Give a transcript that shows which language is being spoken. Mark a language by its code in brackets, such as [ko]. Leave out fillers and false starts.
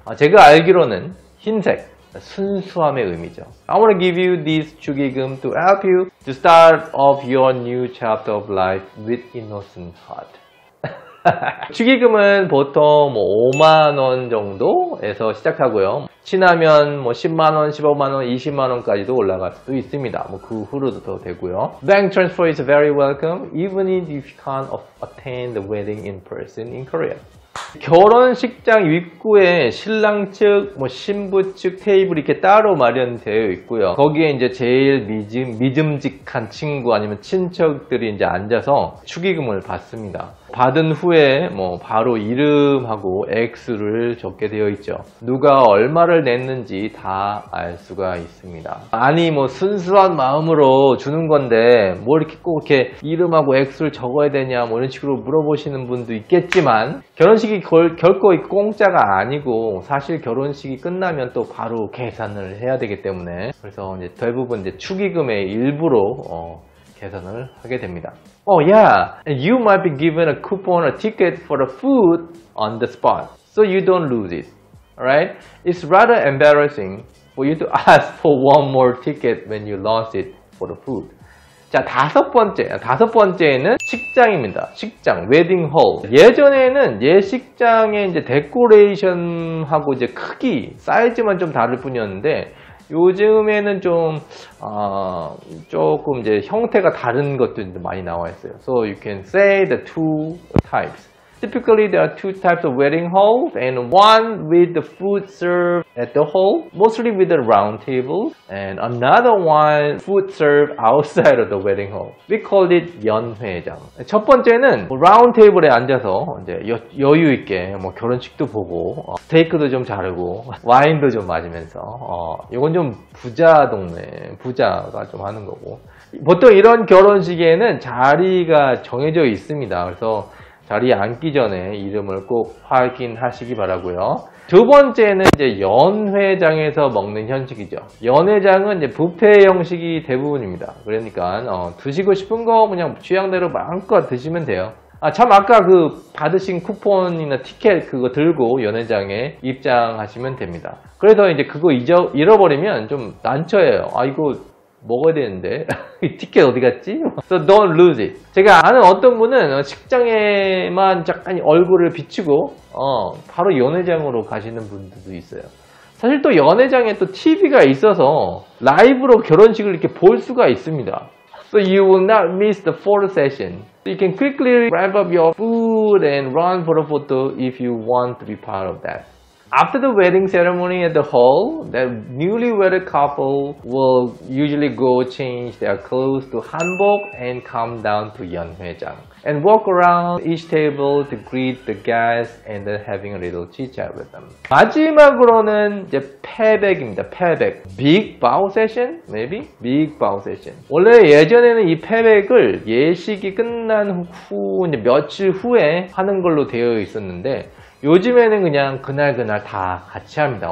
[ko] 제가 알기로는 흰색, 순수함의 의미죠. [en] I want to give you this 축의금 to help you to start off your new chapter of life with innocent heart. [ko] 축의금은 보통 뭐 5만원 정도에서 시작하고요. 친하면 뭐 10만원, 15만원, 20만원까지도 올라갈 수도 있습니다. 뭐 그 후로도 더 되고요. [en] Bank transfer is very welcome, even if you can't attend the wedding in person in Korea. [ko] 결혼식장 입구에 신랑 측, 뭐 신부 측 테이블이 이렇게 따로 마련되어 있고요. 거기에 이제 제일 믿음직한 친구 아니면 친척들이 이제 앉아서 축의금을 받습니다. 받은 후에 뭐 바로 이름하고 액수를 적게 되어 있죠. 누가 얼마를 냈는지 다 알 수가 있습니다. 아니 뭐 순수한 마음으로 주는 건데 뭘 이렇게 꼭 이렇게 이름하고 액수를 적어야 되냐 뭐 이런 식으로 물어보시는 분도 있겠지만 결혼식이 결코 공짜가 아니고 사실 결혼식이 끝나면 또 바로 계산을 해야 되기 때문에 그래서 이제 대부분 이제 축의금의 일부로 계산을 하게 됩니다. [en] Oh yeah, and you might be given a coupon or ticket for the food on the spot, so you don't lose it, alright? It's rather embarrassing for you to ask for one more ticket when you lost it for the food. [ko] 자, 다섯 번째는 식장입니다. 식장, wedding hall. 예전에는 예식장의 이제 데코레이션하고 이제 크기, 사이즈만 좀 다를 뿐이었는데 요즘에는 좀, 조금 이제 형태가 다른 것들도 많이 나와 있어요. [en] So you can say the two types. Typically, there are two types of wedding halls, and one with the food served at the hall, mostly with the round table, and another one food served outside of the wedding hall. We call it 연회장. [ko] 첫 번째는 round table에 앉아서 이제 여유 있게 뭐 결혼식도 보고 스테이크도 좀 자르고 와인도 좀 마시면서 이건 좀 부자 동네 부자가 좀 하는 거고 보통 이런 결혼식에는 자리가 정해져 있습니다. 그래서 자리에 앉기 전에 이름을 꼭 확인하시기 바라고요. 두 번째는 이제 연회장에서 먹는 형식이죠. 연회장은 이제 뷔페 형식이 대부분입니다. 그러니까 드시고 싶은 거 그냥 취향대로 마음껏 드시면 돼요. 아, 참 아까 그 받으신 쿠폰이나 티켓 그거 들고 연회장에 입장하시면 됩니다. 그래서 이제 그거 잃어버리면 좀 난처해요. 아 이거 먹어야 되는데 티켓 어디 갔지? [en] So don't lose it. [ko] 제가 아는 어떤 분은 식장에만 잠깐 얼굴을 비추고 바로 연회장으로 가시는 분들도 있어요. 사실 또 연회장에 또 TV가 있어서 라이브로 결혼식을 이렇게 볼 수가 있습니다. [en] So you will not miss the photo session. You can quickly wrap up your food and run for a photo if you want to be part of that. After the wedding ceremony at the hall, the newlywed couple will usually go change their clothes to hanbok and come down to 연회장 and walk around each table to greet the guests and then having a little chit-chat with them. [ko] 마지막으로는 이제 폐백입니다. [en] 폐백. Big bow session? Maybe? Big bow session. [ko] 원래 예전에는 이 폐백을 예식이 끝난 후 이제 며칠 후에 하는 걸로 되어 있었는데 요즘에는 그냥 그날그날 다 같이 합니다.